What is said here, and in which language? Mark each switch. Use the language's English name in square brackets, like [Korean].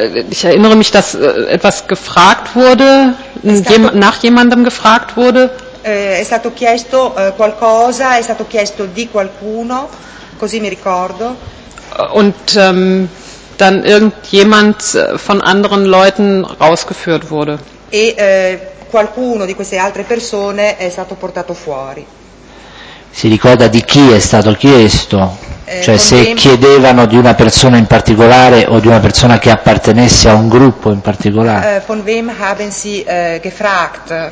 [German] Ich erinnere mich, dass etwas gefragt wurde, nach jemandem gefragt wurde. [Italian] È stato chiesto qualcosa, è stato chiesto di qualcuno, così mi ricordo. [German] Und dann irgendjemand von anderen Leuten rausgeführt wurde. [Italian] E qualcuno di queste altre persone è stato portato fuori. Si ricorda di chi è stato chiesto? Cioè se chiedevano di una persona in particolare o di una persona che appartenesse a un gruppo in particolare? [German] Von wem haben Sie gefragt?